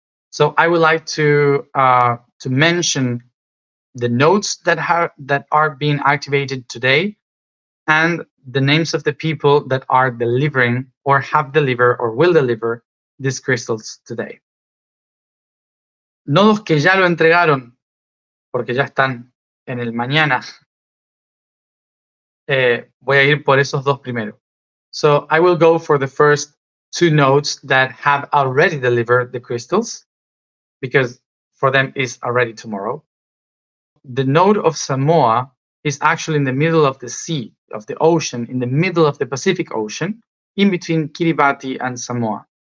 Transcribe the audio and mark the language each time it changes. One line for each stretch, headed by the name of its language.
English: So I would like to mention the nodes that are being activated today and the names of the people that are delivering or have delivered or will deliver these crystals today.
Spanish: Nodos que ya lo entregaron, porque ya están en el mañana. Voy a ir por esos dos primero.
English: So I will go for the first 2 nodes that have already delivered the crystals, because for them is already tomorrow. The node of Samoa is actually in the middle of the sea, of the ocean, in the middle of the Pacific Ocean, in between Kiribati and Samoa.